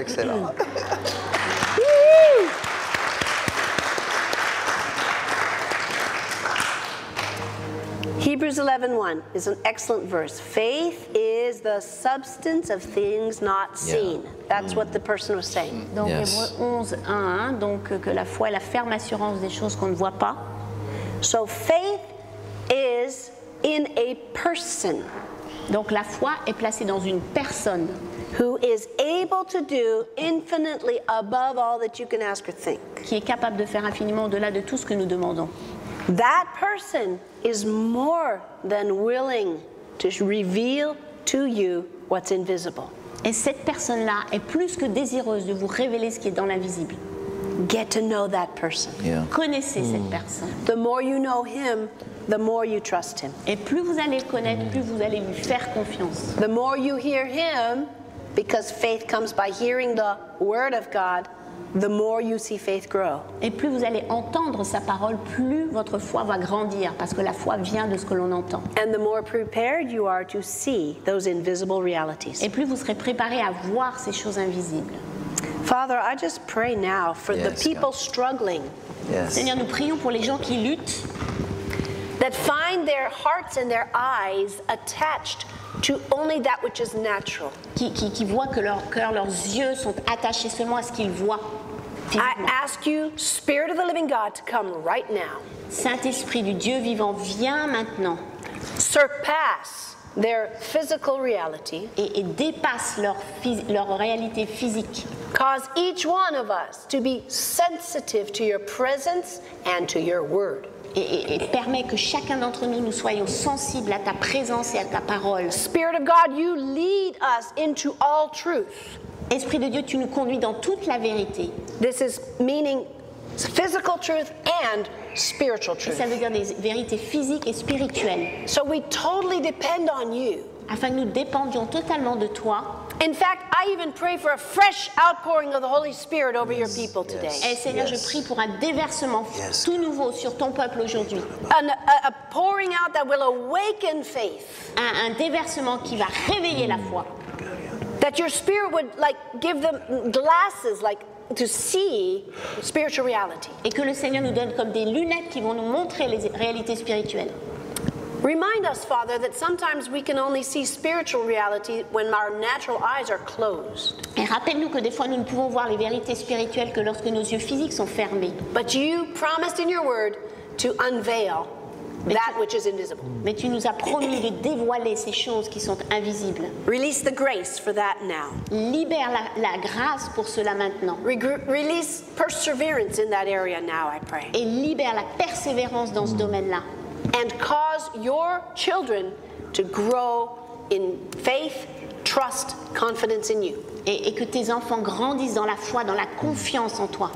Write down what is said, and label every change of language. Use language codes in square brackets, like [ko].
[en] Excellent. Hebrews 11:1 is an excellent verse. Faith is the substance of things not seen. Yeah. That's what the person was saying. [fr] Donc Hébreux 11:1, donc que la foi est la ferme assurance des choses qu'on ne voit pas. [en] So faith is in a person. [fr] Donc la foi est placée dans une personne. [en] Who is able to do infinitely above all that you can ask or think. [fr] Qui est capable de faire infiniment au-delà de tout ce que nous demandons. [en] That person is more than willing to reveal to you what's invisible. [fr] Et cette personne-là est plus que désireuse de vous révéler ce qui est dans l'invisible. [en] Get to know that person. Yeah. [fr] Connaissez cette personne. [en] The more you know him, the more you trust him. [fr] Et plus vous allez le connaître, plus vous allez lui faire confiance. [en] The more you hear him, because faith comes by hearing the word of God, the more you see faith grow. [fr] Et plus vous allez entendre sa parole, plus votre foi va grandir, parce que la foi vient de ce que l'on entend. [en] And the more prepared you are to see those invisible realities. [fr] Et plus vous serez préparé à voir ces choses invisibles. [en] Father, I just pray now for the people struggling. Yes. [fr] Seigneur, nous prions pour les gens qui luttent. [en] That find their hearts and their eyes attached to only that which is natural. [fr] Qui voit que leur cœur, leurs yeux sont attachés seulement à ce qu'ils voient. [en] I ask you, Spirit of the Living God, to come right now. [fr] Saint-Esprit du Dieu vivant, viens maintenant. [en] Surpass their physical reality. [fr] Et dépasse leur réalité physique. [en] Cause each one of us to be sensitive to your presence and to your word. [fr] Et permet que chacun d'entre nous nous soyons sensibles à ta présence et à ta parole. [en] Spirit of God, you lead us into all truth. [fr] Esprit de Dieu, tu nous conduis dans toute la vérité. [en] This is meaning physical truth and spiritual truth. [fr] Et ça veut dire des vérités physiques et spirituelles. [en] So we totally depend on you. [fr] Afin que nous dépendions totalement de toi. [en] In fact, I even pray for a fresh outpouring of the Holy Spirit over your people today. [fr] Et Seigneur, je prie pour un déversement tout nouveau sur ton peuple aujourd'hui. [en] A pouring out that will awaken faith. [fr] Un déversement qui va réveiller la foi. [en] That your spirit would like give them glasses like to see spiritual reality. [fr] Et que le Seigneur nous donne comme des lunettes qui vont nous montrer les réalités spirituelles. [en] Remind us, Father, that sometimes we can only see spiritual reality when our natural eyes are closed. [fr] Et rappelle-nous que des fois nous ne pouvons voir les vérités spirituelles que lorsque nos yeux physiques sont fermés. [en] But you promised in your word to unveil that which is invisible. [fr] Mais tu nous as promis de dévoiler ces choses qui sont invisibles. [en] Release the grace for that now. [fr] Libère la grâce pour cela maintenant. [en] Release perseverance in that area now, I pray. [fr] Et libère la persévérance dans ce domaine-là. [en] And cause your children to grow in faith, trust, confidence in you. [fr] Et que tes enfants grandissent dans la foi, dans la confiance en toi.